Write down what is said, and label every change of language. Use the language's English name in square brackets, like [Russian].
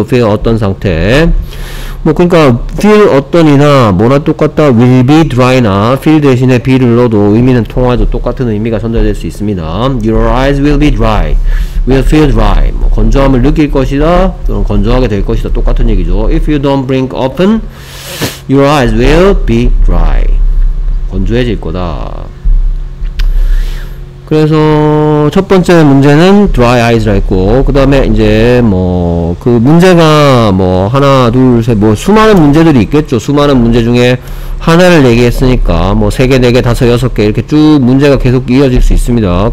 [Korean] feel 어떤 상태? 뭐 그러니까 feel 어떤이나 뭐나 똑같다. [English] will be dry [Korean] 나 feel 대신에 be를 넣어도 의미는 통하죠. 똑같은 의미가 전달될 수 있습니다. [English] Your eyes will be dry. will feel dry. [Korean] 뭐 건조함을 느낄 것이다. 또는 건조하게 될 것이다. 똑같은 얘기죠. [English] If you don't blink often, your eyes will be dry. [Korean] 건조해질 거다. 그래서 첫 번째 문제는 dry eyes라 했고 그 다음에 이제 뭐 그 문제가 뭐 하나 둘 셋 뭐 수많은 문제들이 있겠죠. 수많은 문제 중에 하나를 얘기했으니까 뭐 세 개, 네 개, 다섯, 여섯 개 이렇게 쭉 문제가 계속 이어질 수 있습니다.